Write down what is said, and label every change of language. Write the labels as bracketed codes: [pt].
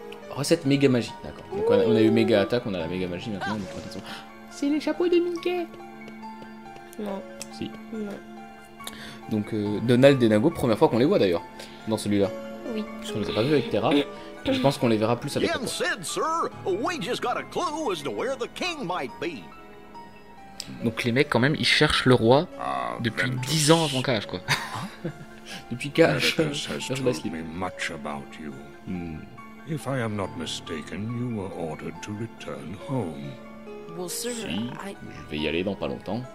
[fr] Recette méga magie, d'accord. Donc on a eu méga attaque, on a la méga magie maintenant. Donc attention. C'est les chapeaux de Mickey. Non. Si. Non. Donc Donald et Dingo, première fois qu'on les voit d'ailleurs. Dans celui-là. Oui. Parce qu'on les a pas vus avec Terra. Je pense qu'on les verra plus avec Yensid, sir. [en] We just got a clue as to where the king might be. [fr] Donc les mecs quand même ils cherchent le roi depuis 10 ans avant Cage quoi. Depuis Cage. [en] Has told me much about you. If I am not mistaken, you were ordered to return home. Well, sir, [fr] si, je vais y aller dans pas longtemps.